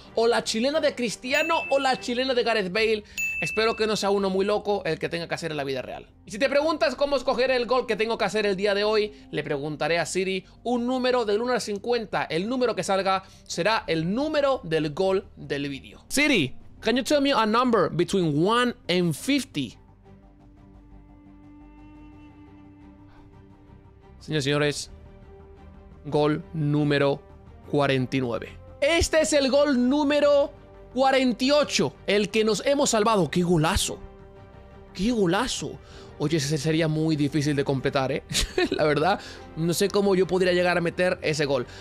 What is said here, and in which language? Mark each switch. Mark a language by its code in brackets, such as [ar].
[es] O la chilena de Cristiano o la chilena de Gareth Bale. Espero que no sea uno muy loco el que tenga que hacer en la vida real. Y si te preguntas cómo escoger el gol que tengo que hacer el día de hoy, le preguntaré a Siri un número del 1 al 50. El número que salga será el número del gol del vídeo. [en] Siri, can you tell me a number between 1 and 50? [es] Señoras y señores, gol número 49. Este es el gol número 48, el que nos hemos salvado. ¡Qué golazo! ¡Qué golazo! Oye, ese sería muy difícil de completar, ¿eh? La verdad, no sé cómo yo podría llegar a meter ese gol.